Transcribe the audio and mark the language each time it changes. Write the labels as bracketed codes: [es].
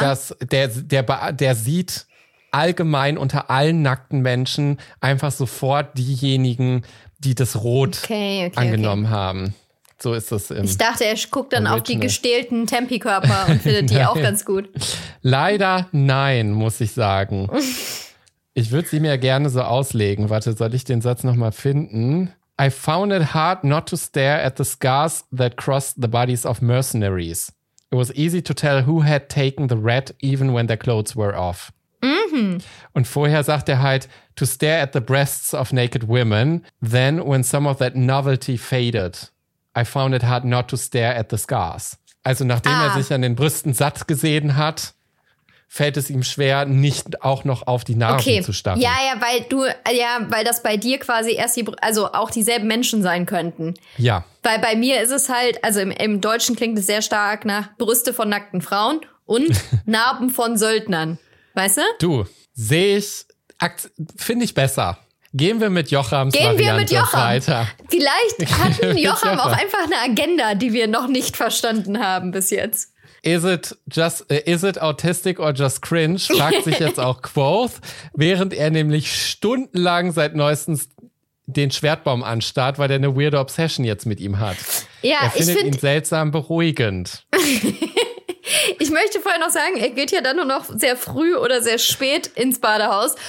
[de] Dass der sieht allgemein unter allen nackten Menschen einfach sofort diejenigen, die das Rot angenommen haben. So ist das im Ich dachte, er guckt dann auf die gestählten Tempi-Körper und findet die auch ganz gut. Leider nein, muss ich sagen. Ich würde sie mir gerne so auslegen. Warte, soll ich den Satz nochmal finden? [en] I found it hard not to stare at the scars that crossed the bodies of mercenaries. It was easy to tell who had taken the red, even when their clothes were off. Mm-hmm. [de] Und vorher sagt er halt, [en] to stare at the breasts of naked women. Then, when some of that novelty faded, I found it hard not to stare at the scars. [de] Also nachdem er sich an den Brüsten satt gesehen hat, fällt es ihm schwer, nicht auch noch auf die Narben zu starren. Ja, weil du, ja, weil das bei dir quasi erst die, also auch dieselben Menschen sein könnten. Ja. Weil bei mir ist es halt, also im Deutschen klingt es sehr stark nach Brüste von nackten Frauen und Narben von Söldnern. Weißt du? Du, sehe ich, finde ich besser. Gehen wir mit Jochams weiter. Vielleicht hatten Jocham auch einfach eine Agenda, die wir noch nicht verstanden haben bis jetzt. [en] Is it autistic or just cringe? [de] Fragt sich jetzt auch Quoth, während er nämlich stundenlang seit neuestens den Schwertbaum anstarrt, weil er eine weirde Obsession jetzt mit ihm hat. Ja, er findet ihn seltsam beruhigend. Ich möchte vorher noch sagen, er geht ja dann nur noch sehr früh oder sehr spät ins Badehaus.